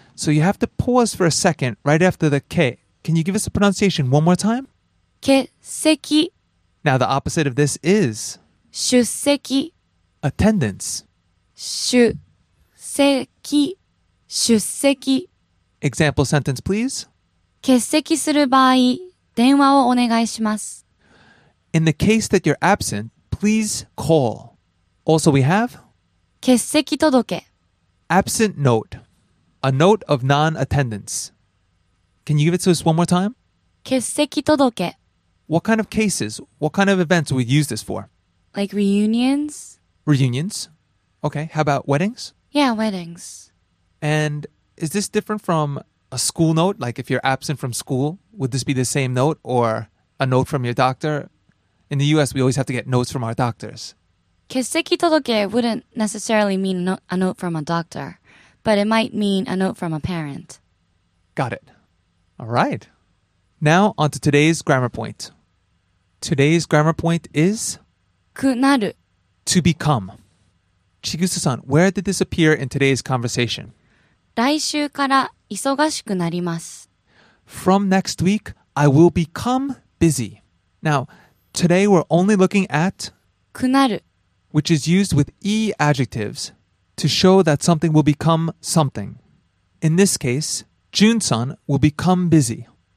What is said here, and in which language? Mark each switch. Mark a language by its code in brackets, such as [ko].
[en] So you have to pause for a second right after the k. Can you give us the pronunciation one more time? [ja] 欠席 [en] Now the opposite of this is [ja] 出席 [en] attendance. [ja] 出席 [en] Example sentence, please. [ja] 欠席する場合、電話をお願いします。 [en] In the case that you're absent, please call. Also we have [ja] 欠席届け [en] Absent note. A note of non-attendance. Can you give it to us one more time? [ja] 欠席届け [en] What kind of cases, what kind of events would we use this for? Like reunions. Reunions. Okay, how about weddings? Yeah, weddings. And is this different from a school note? Like if you're absent from school, would this be the same note or a note from your doctor? In the US, we always have to get notes from our doctors. 欠席届け wouldn't necessarily mean a note from a doctor, but it might mean a note from a parent. Got it. All right. Now on to today's grammar point. Today's grammar point is... [ja] くなる [en] To become. Chigusa-san, where did this appear in today's conversation? [ja] 来週から忙しくなります [en] From next week, I will become busy. Now, today we're only looking at... くなる Which is used with E adjectives to show that something will become something. In this case, Jun-san will become busy.